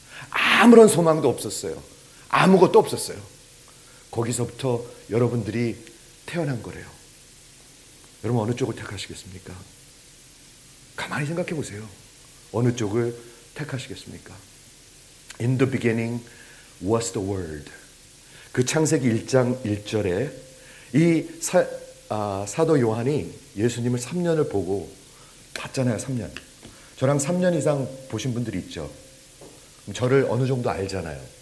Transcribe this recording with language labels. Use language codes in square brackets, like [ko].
[ko] 아무런 소망도 없었어요. 아무것도 없었어요. 거기서부터 여러분들이 태어난 거래요. 여러분 어느 쪽을 택하시겠습니까? 가만히 생각해 보세요. 어느 쪽을 택하시겠습니까? [en] In the beginning was the word. [ko] 그 창세기 1장 1절에 이 사도 요한이 예수님을 3년을 보고 봤잖아요. 3년. 저랑 3년 이상 보신 분들이 있죠. 그럼 저를 어느 정도 알잖아요.